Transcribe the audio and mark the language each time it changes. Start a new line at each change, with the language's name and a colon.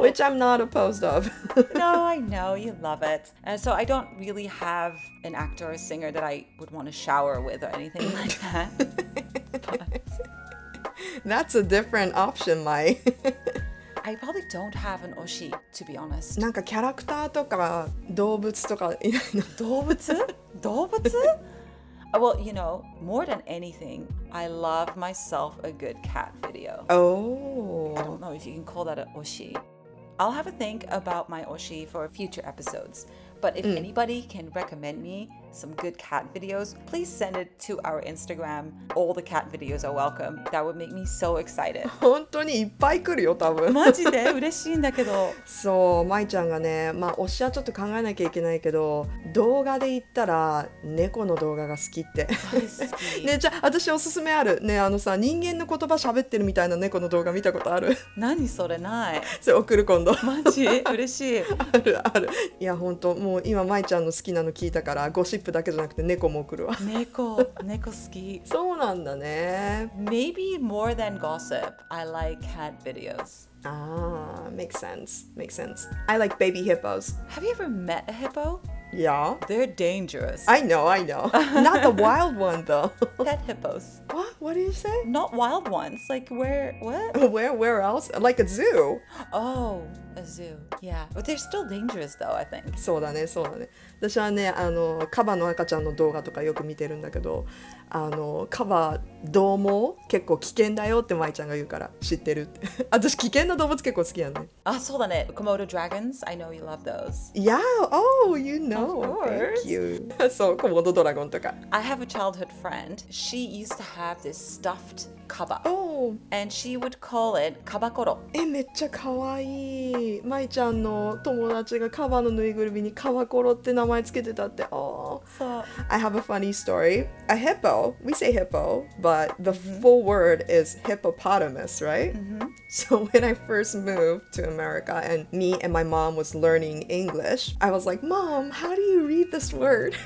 English: Which I'm not opposed of. No, I know. You love it. So I don't really have an actor or singer that I would want to shower with or anything like that. That's a different option, Mai. I probably don't have an oshi, to be honest.
Japanese: なんかキャラクターとか動物とかいないの？動物?
English: Well, you know, more than anything, I love myself a good cat video. Oh. I don't know if you can call that an oshi. I'll have a think about my oshi for future episodes. But if anybody can recommend me some good cat videos, please send it to our Instagram. All the cat videos are welcome. That would make me so excited.
Japanese: 本当にいっぱい来るよ、多分。マジで嬉しいんだけど。そう、まいちゃんがね、まあ推しはちょっと考えなきゃいけないけど、動画で言ったら猫の動画が好きって。大好き。ね、じゃあ私おすすめある。ね、さ、人間の言葉喋ってるみたいな猫の動画見たことある？何それ、ない。それ送る今度。マジ？嬉しい。あるある。いや、本当。もう今まいちゃんの好きなの聞いたから、ゴシップだけじゃなくて猫も送るわ。猫好き。そうなんだね。
English: Maybe more than gossip, I like cat videos. Makes sense. I like baby hippos. Have you ever met a hippo? Yeah. They're dangerous. I know. Not the wild one though. Pet hippos. What do you say? Not wild ones. Like what? Where else? Like a zoo. Oh. A zoo. Yeah. But they're still dangerous though, I think.
Japanese: そうだね、そうだね。私はね、カバの赤ちゃんの動画とかよく見てるんだけど、カバどう思う？結構危険だよってマイちゃんが言うから知ってるって。私危険な動物結構好きやね。あ、そうだね。
English: Komodo dragons. I know you love those. Yeah. Oh, you know. Of course. Thank you.
Japanese: そう、Komodo ドラゴンとか。
English: I have a childhood friend. She used to have this stuffed カバ. Oh. And she would call it Kabakoro.
Japanese: え、めっちゃ可愛い。マイちゃんの友達がカバのぬいぐるみにカバコロって名前つけてたって。
English: Oh. So. I have a funny story. A hippo. We say hippo, but the full word is hippopotamus, right? Mm-hmm. So when I first moved to America and me and my mom was learning English, I was like, Mom, how do you read this word?